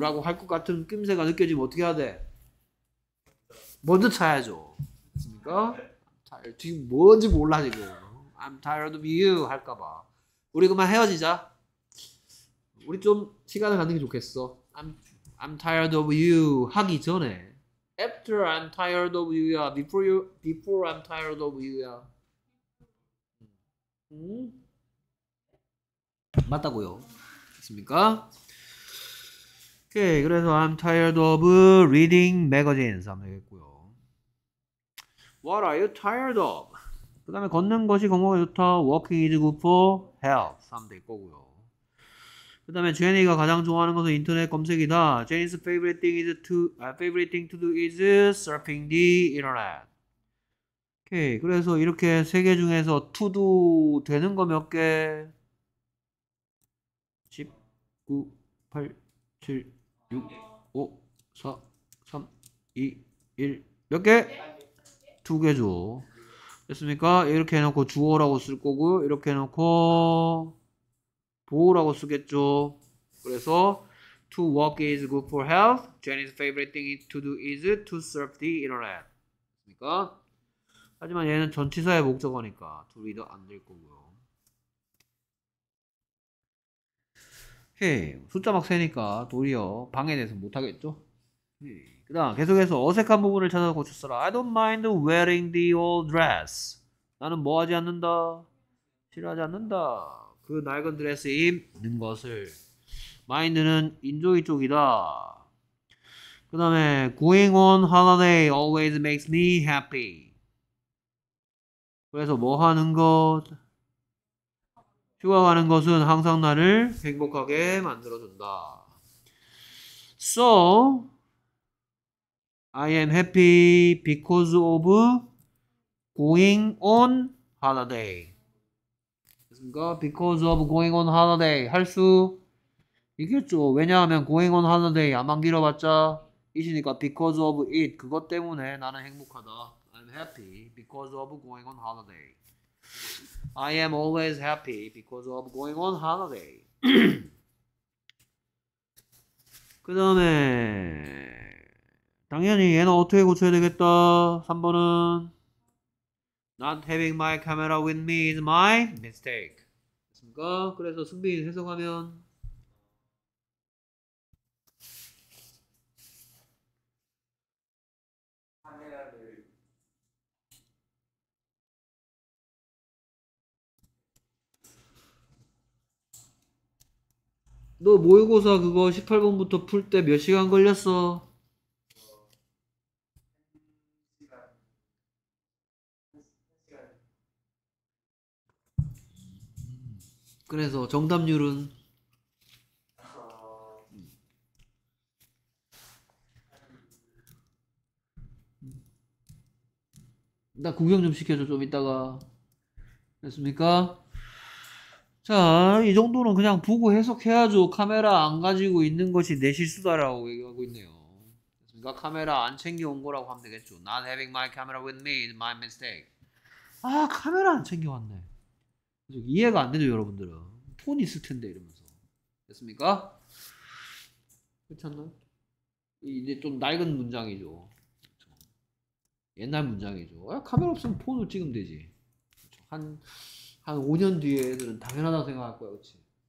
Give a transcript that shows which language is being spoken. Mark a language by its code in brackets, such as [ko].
[ko] 라고 할것 같은 낌새가 느껴지면 어떻게 해야 돼? 먼저 차야죠. 됐습니까? 지금 뭔지 몰라, 지금. [en] I'm tired of you. [ko] 할까봐. 우리 그만 헤어지자. 우리 좀 시간을 갖는 게 좋겠어. [en] I'm tired of you [ko] 하기 전에 [en] After I'm tired of you yeah. Before I'm tired of you야 yeah. [ko] 맞다고요 맞습니까? 오케이 그래서 [en] I'm tired of reading magazines [ko] 하면 되겠고요 [en] What are you tired of? [ko] 그 다음에 걷는 것이 건강에 좋다 [en] Walking is good for health [ko] 하면 될 거고요 그 다음에 제니가 가장 좋아하는 것은 인터넷 검색이다. [en] Jenny's favorite thing is to, favorite thing to do is surfing the internet. 오케이. [ko] 그래서 이렇게 세개 중에서 to do 되는 거몇 개? 10, 9, 8, 7, 6, 5, 4, 3, 2, 1. 몇 개? 두 개죠. 됐습니까? 이렇게 해놓고 주어라고 쓸 거고요. 이렇게 해놓고 보호라고 쓰겠죠. [en] 그래서 to walk is good for health. Jenny's favorite thing to do is to surf the internet. [ko] 그러니까 하지만 얘는 전치사의 목적어니까 to read 안될 거고요. 오케이 숫자 막 세니까 도리어 방해돼서 못 하겠죠. 그다음 계속해서 어색한 부분을 찾아서 고쳤어라. [en] I don't mind wearing the old dress. [ko] 나는 뭐 하지 않는다. 싫어하지 않는다. 그 낡은 드레스 입는 것을 마인드는 인조이 쪽이다. 그 다음에 [en] Going on holiday always makes me happy. [ko] 그래서 뭐 하는 것? 휴가 가는 것은 항상 나를 행복하게 만들어준다. [en] So I am happy because of going on holiday. Because of going on holiday [ko] 할수 있겠죠. 왜냐하면 [en] going on holiday [ko] 야만 길어봤자 이시니까 [en] because of it [ko] 그것 때문에 나는 행복하다. [en] I'm happy because of going on holiday. I am always happy because of going on holiday. [ko] 그 다음에 당연히 얘는 어떻게 고쳐야 되겠다. 3번은 [en] Not having my camera with me is my mistake. [ko] 그래서 승빈이 해석하면 너 모의고사 그거 18번부터 풀때몇 시간 걸렸어? 그래서 정답률은 나 구경 좀 시켜줘, 좀 이따가. 됐습니까? 자, 이 정도는 그냥 보고 해석해야죠. 카메라 안 가지고 있는 것이 내 실수다라고 얘기하고 있네요. 됐습니까? 카메라 안 챙겨온 거라고 하면 되겠죠. [en] Not having my camera with me is my mistake. [ko] 아, 카메라 안 챙겨왔네. 이해가 안 되죠, 여러분들은. 폰 있을 텐데, 이러면서. 됐습니까? 그렇지 않나요? 이제 좀 낡은 문장이죠. 옛날 문장이죠. 아, 카메라 없으면 폰으로 찍으면 되지. 한 5년 뒤에 애들은 당연하다고 생각할 거야, 그치?